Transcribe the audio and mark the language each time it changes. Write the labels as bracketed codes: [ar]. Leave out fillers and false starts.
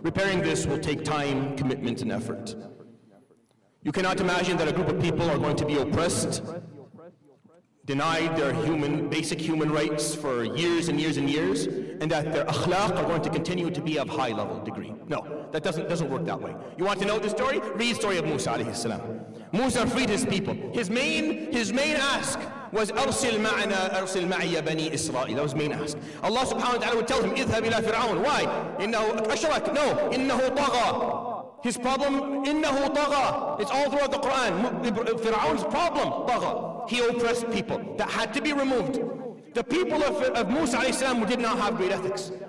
[en] Repairing this will take time, commitment, and effort. You cannot imagine that a group of people are going to be oppressed denied their human, basic human rights for years and years and years, and that their akhlaq are going to continue to be of high level degree. No, that doesn't work that way. You want to know the story? Read the story of Musa alayhi salam. Musa freed his people. His main ask was [ar] أرسل معنا أرسل معي بني إسرائيل. [en] That was main ask. Allah subhanahu wa ta'ala would tell him [ar] اذهب إلى فرعون. [en] Why? [ar] إنه أشرك. [en] No, [ar] إنه طغى. [en] His problem, [ar] إنه طغى. [en] It's all throughout the Quran. Fir'aun's problem, طغى. He oppressed people. That had to be removed. The people of Musa alayhi salam did not have great ethics.